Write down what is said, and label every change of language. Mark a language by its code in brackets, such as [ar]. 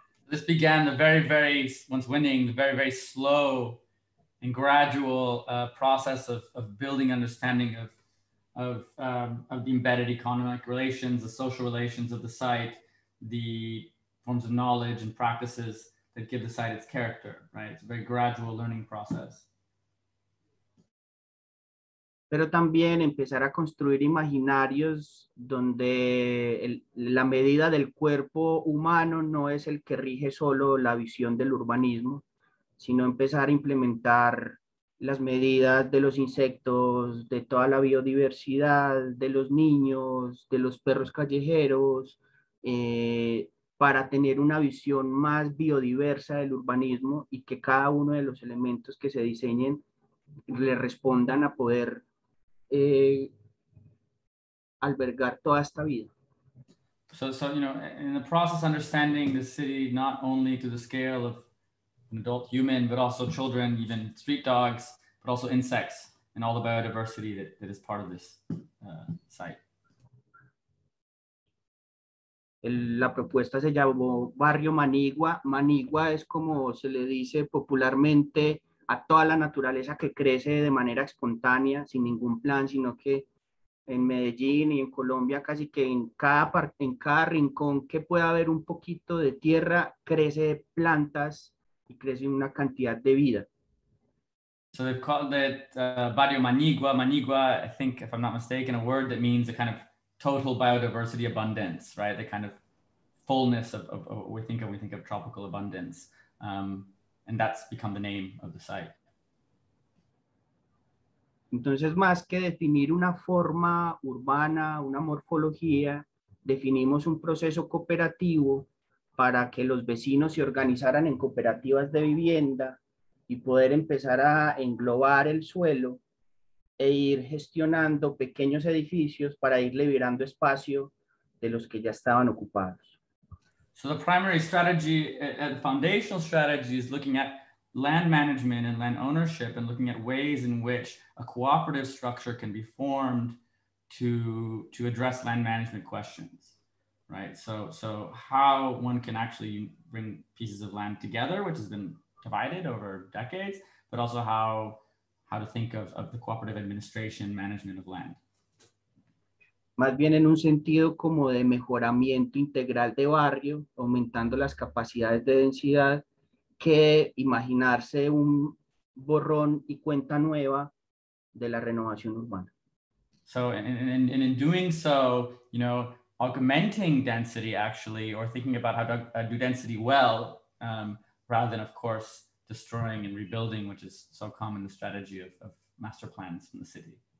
[en] This began the very, very, once winning, the very, very slow and gradual process of building understanding of the embedded economic relations, the social relations of the site, the forms of knowledge and practices that give the site its character, right? It's a very gradual learning process. [es] pero también empezar a construir imaginarios donde la medida del cuerpo humano no es el que rige solo la visión del urbanismo, sino empezar a implementar las medidas de los insectos, de toda la biodiversidad, de los niños, de los perros callejeros, para tener una visión más biodiversa del urbanismo y que cada uno de los elementos que se diseñen le respondan a poder albergar toda esta vida. [en] So, you know, in the process, understanding the city not only to the scale of an adult human, but also children, even street dogs, but also insects and all the biodiversity that is part of this site. [es] La propuesta se llamó Barrio Manigua. Manigua es como se le dice popularmente a toda la naturaleza que crece de manera espontánea, sin ningún plan, sino que en Medellín y en Colombia casi que en cada rincón que pueda haber un poquito de tierra, crece plantas y crece una cantidad de vida. [en] So they've called it Barrio Manigua. Manigua, I think, if I'm not mistaken, a word that means a kind of total biodiversity abundance, right? The kind of fullness of what we think of when we think of tropical abundance. And that's become the name of the site. [es] Entonces, más que definir una forma urbana, una morfología, definimos un proceso cooperativo para que los vecinos se organizaran en cooperativas de vivienda y poder empezar a englobar el suelo e ir gestionando pequeños edificios para ir liberando espacio de los que ya estaban ocupados. [en] So the primary strategy, the foundational strategy, is looking at land management and land ownership and looking at ways in which a cooperative structure can be formed to address land management questions, right? So how one can actually bring pieces of land together, which has been divided over decades, but also how to think of the cooperative administration management of land. [es] Más bien en un sentido como de mejoramiento integral de barrio, aumentando las capacidades de densidad, que imaginarse un borrón y cuenta nueva de la renovación urbana. [en] So in doing so, you know, augmenting density actually, or thinking about how to do density well, rather than of course destroying and rebuilding, which is so common the strategy of master plans in the city.